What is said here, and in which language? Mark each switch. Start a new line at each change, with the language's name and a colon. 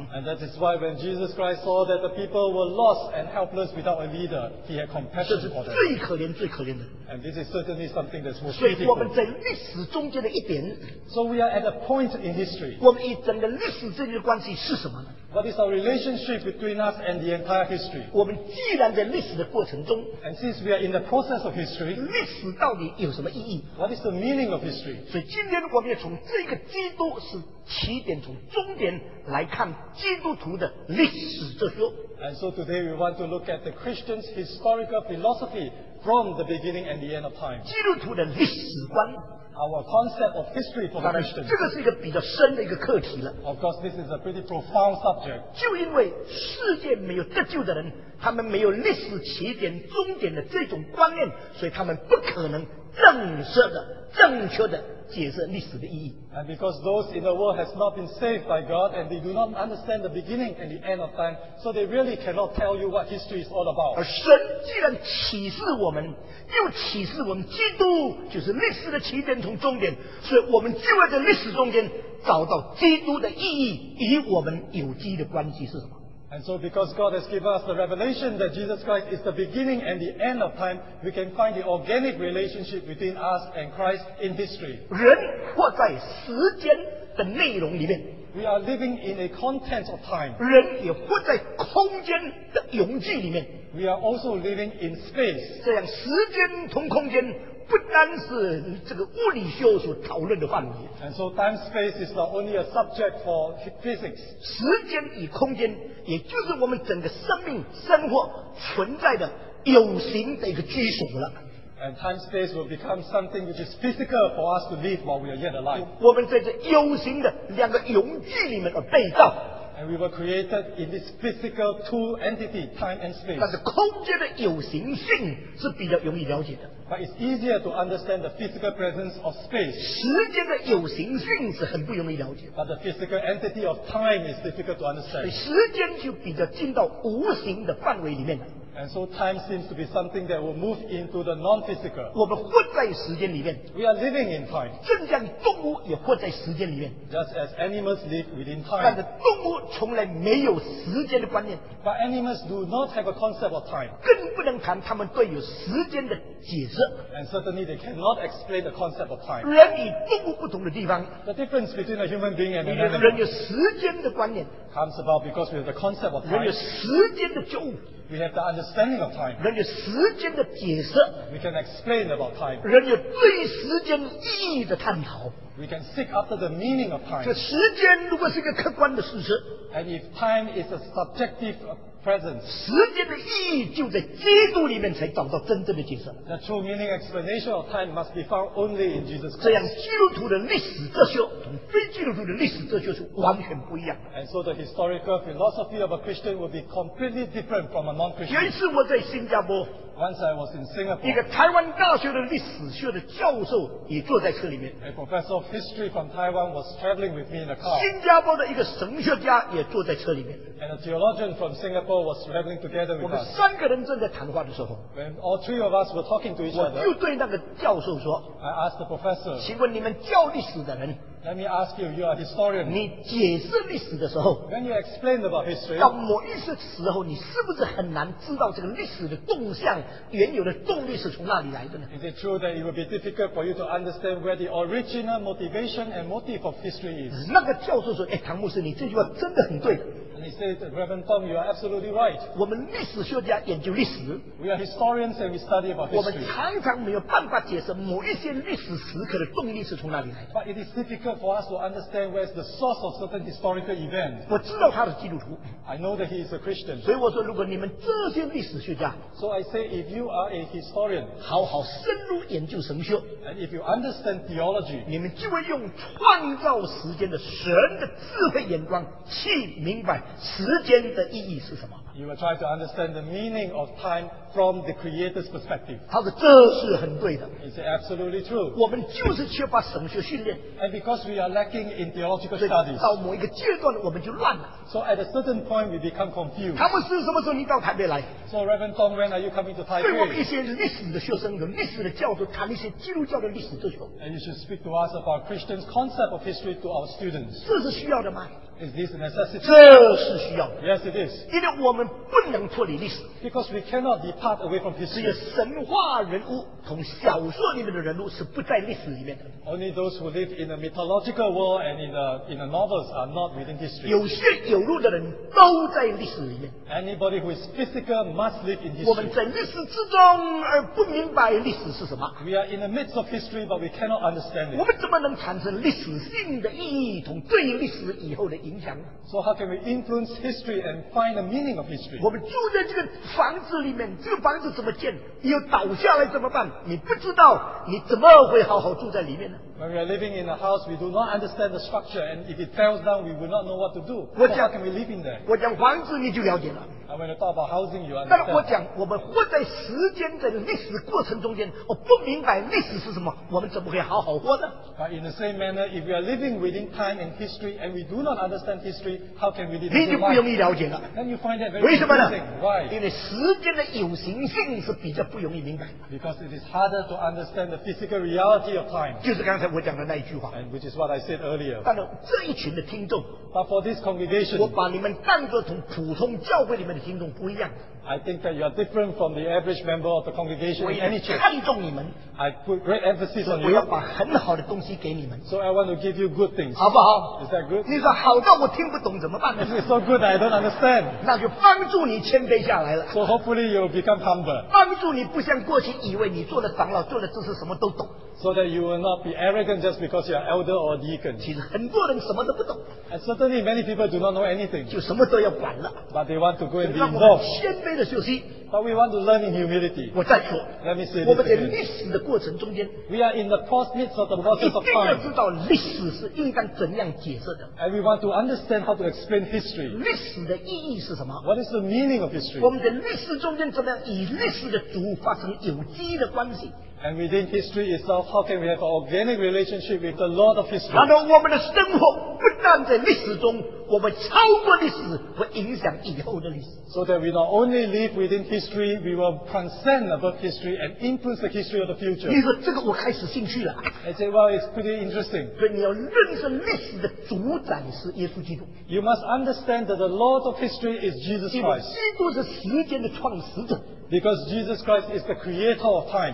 English: And that is why when Jesus Christ saw that the people were lost and helpless without a leader, he had compassion for them.
Chinese: 这是最可怜最可怜的。
English: And this is certainly something that's most critical.
Chinese: 所以我们在历史中间的一点。
English: So we are at a point in history.
Chinese: 我们与整个历史之间的关系是什么呢？
English: What is our relationship between us and the entire history?
Chinese: 我们既然在历史的过程中，
English: and since we are in the process of history,
Chinese: 历史到底有什么意义？
English: What is the meaning of history?
Chinese: 所以今天我们要从这个基督是起点，从终点来看基督徒的历史哲学。
English: And so today we want to look at the Christian's historical philosophy from the beginning and the end of time.
Chinese: 基督徒的历史观。
English: Our concept of history for the Christian.
Chinese: 这个是一个比较深的一个课题了。
English: Of course, this is a pretty profound subject.
Chinese: 就因为世界没有得救的人，他们没有历史起点、终点的这种观念，所以他们不可能正确的、正确的解释历史的意义。
English: And because those in the world has not been saved by God and they do not understand the beginning and the end of time, so they really cannot tell you what history is all about.
Chinese: 而神既然启示我们，又启示我们基督就是历史的起点，从终点，所以我们就在这历史中间找到基督的意义与我们有机的关系是什么。
English: And so because God has given us the revelation that Jesus Christ is the beginning and the end of time, we can find the organic relationship between us and Christ in history.
Chinese: 人活在时间的内容里面。
English: We are living in a content of time.
Chinese: 人也活在空间的永续里面。
English: We are also living in space.
Chinese: 这样时间同空间不单是这个物理学所讨论的范围。
English: And so time space is not only a subject for physics.
Chinese: 时间与空间也就是我们整个生命生活存在的有形的一个基础了。
English: And time space will become something which is physical for us to live while we are yet alive.
Chinese: 我们在这有形的两个永具里面而被造。
English: And we were created in this physical two entity, time and space.
Chinese: 但是空间的有形性是比较容易了解的。
English: But it's easier to understand the physical presence of space.
Chinese: 时间的有形性是很不容易了解。
English: But the physical entity of time is difficult to understand.
Chinese: 时间就比较进到无形的范围里面了。
English: And so time seems to be something that will move into the non-physical.
Chinese: 我们活在时间里面。
English: We are living in time.
Chinese: 正像动物也活在时间里面。
English: Just as animals live within time.
Chinese: 但是动物从来没有时间的观念。
English: But animals do not have a concept of time.
Chinese: 更不能谈他们对于时间的解释。
English: And certainly they cannot explain the concept of time.
Chinese: 人与动物不同的地方。
English: The difference between a human being and an animal.
Chinese: 人有时间的观念。
English: Comes about because we have the concept of time.
Chinese: 人有时间的觉悟。
English: We have the understanding of time.
Chinese: 人有时间的解释。
English: We can explain about time.
Chinese: 人有对时间意义的探讨。
English: We can seek after the meaning of time.
Chinese: 这时间如果是一个客观的事实。
English: And if time is a subjective presence.
Chinese: 时间的意义就在基督里面才找到真正的解释。
English: The true meaning explanation of time must be found only in Jesus Christ.
Chinese: 这样基督徒的历史哲学和非基督徒的历史哲学是完全不一样。
English: And so the historical philosophy of a Christian will be completely different from a non-Christian.
Chinese: 有一次我在新加坡。
English: Once I was in Singapore.
Chinese: 一个台湾大学的历史学的教授也坐在车里面。
English: A professor of history from Taiwan was traveling with me in the car.
Chinese: 新加坡的一个神学家也坐在车里面。
English: And a theologian from Singapore was traveling together with us.
Chinese: 我们三个人正在谈话的时候。
English: When all three of us were talking to each other.
Chinese: 我又对那个教授说。
English: I asked the professor.
Chinese: 请问你们教历史的人。
English: Let me ask you, you are a historian.
Chinese: 你解释历史的时候。
English: When you explain about history.
Chinese: 到某一些时候你是不是很难知道这个历史的动向。原有的动力是从哪里来的呢？
English: Is it true that it will be difficult for you to understand where the original motivation and motive of history is?
Chinese: 那个教授说，哎，唐牧师，你这句话真的很对。
English: And he said, Reverend Tom, you are absolutely right.
Chinese: 我们历史学家研究历史。
English: We are historians and we study about history.
Chinese: 我们常常没有办法解释某一些历史时刻的动力是从哪里来的。
English: But it is difficult for us to understand where is the source of certain historical events.
Chinese: 我知道他是基督徒。
English: I know that he is a Christian.
Chinese: 所以我说，如果你们这些历史学家
English: ，So I say. If you are a historian,
Chinese: 好好深入研究神学。
English: And if you understand theology,
Chinese: 你们就会用创造时间的神的智慧眼光去明白时间的意义是什么。
English: You will try to understand the meaning of time from the Creator's perspective.
Chinese: 他说这是很对的。
English: It's absolutely true.
Chinese: 我们就是缺乏神学训练。
English: And because we are lacking in theological studies,
Chinese: 到某一个阶段我们就乱了。
English: So at a certain point we become confused.
Chinese: 唐牧师什么时候你到台北来？
English: So Reverend Tom, when are you coming to Taipei?
Chinese: 对我们一些历史的学生和历史的教授谈一些基督教的历史哲学。
English: And you should speak to us about Christian's concept of history to our students.
Chinese: 这是需要的吗？
English: Is this a necessity?
Chinese: 这是需要的。
English: Yes, it is.
Chinese: 因为我们不能脱离历史。
English: Because we cannot depart away from history.
Chinese: 只有神话人物同小说里面的人物是不在历史里面的。
English: Only those who live in a mythological world and in the novels are not within history.
Chinese: 有血有肉的人都在历史里面。
English: Anybody who is physical must live in history.
Chinese: 我们在历史之中而不明白历史是什么。
English: We are in the midst of history, but we cannot understand it.
Chinese: 我们怎么能产生历史性的意义同对历史以后的影响？
English: So how can we influence history and find the meaning of history?
Chinese: 我们住在这个房子里面，这个房子怎么建？又倒下来怎么办？你不知道，你怎么会好好住在里面呢？
English: When we are living in a house, we do not understand the structure, and if it falls down, we will not know what to do. How can we live in there?
Chinese: 我讲房子你就了解了。
English: And when you talk about housing, you understand.
Chinese: 但我讲我们活在时间的历史过程中间，我不明白历史是什么，我们怎么会好好活呢？
English: But in the same manner, if we are living within time and history, and we do not understand history, how can we live in life?
Chinese: 你就不容易了解了。
English: Then you find that very confusing. Why?
Chinese: 因为时间的有形性是比较不容易明白。
English: Because it is harder to understand the physical reality of time.
Chinese: 就是刚才才我讲的那一句话。
English: And which is what I said earlier.
Chinese: 当然，这一群的听众。
English: But for this congregation,
Chinese: 我把你们当作同普通教会里面的听众不一样。
English: I think that you are different from the average member of the congregation in any church.
Chinese: 看重你们。
English: I put great emphasis on you.
Chinese: 我要把很好的东西给你们。
English: So I want to give you good things.
Chinese: 好不好？
English: Is that good?
Chinese: 你说好到我听不懂怎么办呢？
English: If it's so good that I don't understand.
Chinese: 那就帮助你谦卑下来了。
English: So hopefully you will become humble.
Chinese: 帮助你不像过去以为你做了长老做了知识什么都懂。
English: So that you will not be arrogant just because you are elder or deacon.
Chinese: 其实很多人什么都不懂。
English: And certainly many people do not know anything.
Chinese: 就什么都要管了。
English: But they want to go and be involved.
Chinese: 谦卑的休息。
English: But we want to learn in humility.
Chinese: 我再说。
English: Let me say this.
Chinese: 我们在历史的过程中间。
English: We are in the midst of the process of time.
Chinese: 一定要知道历史是应该怎样解释的。
English: And we want to understand how to explain history.
Chinese: 历史的意义是什么？
English: What is the meaning of history?
Chinese: 我们在历史中间怎么样与历史的主发生有机的关系？
English: And within history itself, how can we have an organic relationship with the Lord of history?
Chinese: 然后我们的生活不但在历史中，我们超过历史，会影响以后的历史。
English: So that we not only live within history, we will transcend above history and influence the history of the future.
Chinese: 你说这个我开始兴趣了。
English: I say, well, it's pretty interesting.
Chinese: 所以你要认识历史的主宰是耶稣基督。
English: You must understand that the Lord of history is Jesus Christ.
Chinese: 基督是时间的创始者。
English: Because Jesus Christ is the creator of time.